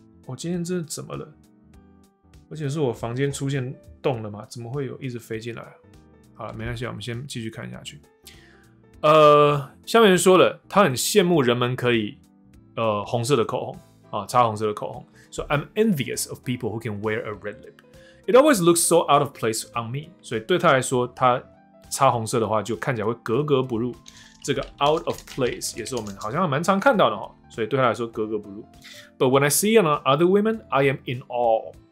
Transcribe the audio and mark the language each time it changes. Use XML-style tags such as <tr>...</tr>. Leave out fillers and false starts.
<zh>我今天这怎么了？而且是我房间出现洞了吗？怎么会有一直飞进来？好了，没关系，我们先继续看下去。下面说了，他很羡慕人们可以。红色的口红啊，擦红色的口红。</zh> <en>So I'm envious of people who can wear a red lip. It always looks so out of place on me.</en> <zh>所以对他来说，他擦红色的话就看起来会格格不入。这个</zh> <en>out of place</en> <zh>也是我们好像蛮常看到的，所以对他来说格格不入。</zh> <en>But when I see it on other women, I am in awe.</en>